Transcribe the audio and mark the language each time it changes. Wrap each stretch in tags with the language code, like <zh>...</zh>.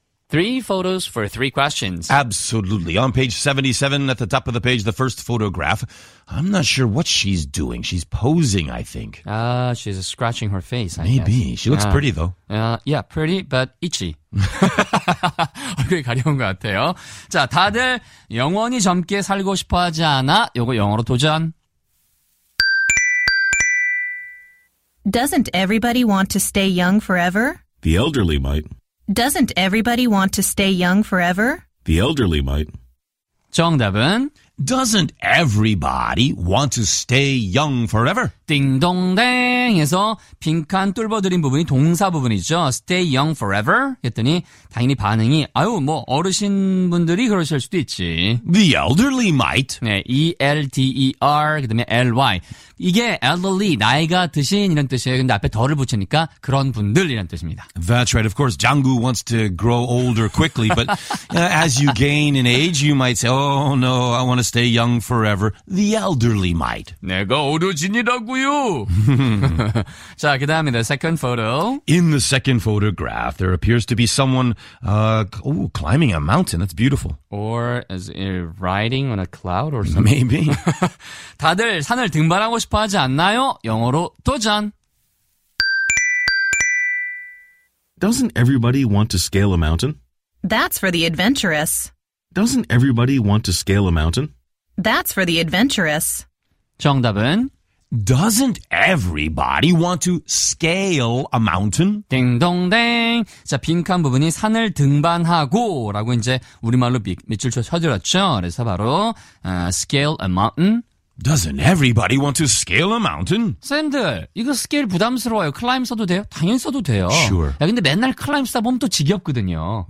<en>Three photos for three questions. Absolutely. On page 77, at the top of the page, the first photograph. I'm not sure what she's doing. She's posing, I think. She's scratching her face, I Maybe. Guess. She looks pretty, though. Yeah, pretty, but itchy.</en> <ko>얼굴이 가려운 것 같아요. 자, 다들 영원히 젊게 살고 싶어 하지 않아? 요거 영어로 도전.</ko> <en>Doesn't everybody want to stay young forever? The elderly might. Doesn't everybody want to stay young forever? The elderly might.</en> <ko>정답은?</ko> <en>Doesn't everybody want to stay young forever?</en> <ko>띵동댕에서 빈칸 뚫어드린 부분이 동사 부분이죠.</ko> <en>Stay young forever?</en> <ko>했더니 당연히 반응이 아유 뭐 어르신분들이 그러실 수도 있지.</ko> <en>The elderly might.</en> <ko>네, E-L-D-E-R 그다음에 L-Y. 이게</ko> <en>elderly,</en> <ko>나이가 드신 이런 뜻이에요. 근데 앞에 덜을 붙이니까 그런 분들이란 뜻입니다.</ko> <en>That's right. Of course,</en> <ko>장구</ko> <en>wants to grow older quickly. But as you gain in age, you might say, oh no, I want to stay young forever. The elderly might.</en> <ko>내가 오르진이라고요. 자, 그 다음에</ko> <en>the second photo. In the second photograph, there appears to be someone climbing a mountain. That's beautiful. Or is it riding on a cloud or something? Maybe.</en> <ko>다들 산을 등반하고 싶어 하지 않나요? 영어로 도전!</ko> <en>Doesn't everybody want to scale a mountain? That's for the adventurous. Doesn't everybody want to scale a mountain? That's for the adventurous.</en> <ko>정답은?</ko> <en>Doesn't everybody want to scale a mountain?</en> <ko>띵동댕. 자, 빈칸 부분이 산을 등반하고 라고 이제 우리말로 밑줄 쳐들었죠. 그래서 바로</ko> <en>scale a mountain. Doesn't everybody want to scale a mountain?</en> <ko>쌤들, 이거 스케일 부담스러워요. 클라임 써도 돼요? 당연히 써도 돼요.</ko> <en>Sure.</en> <ko>야, 근데 맨날 클라임 쓰다 보면 또 지겹거든요.</ko>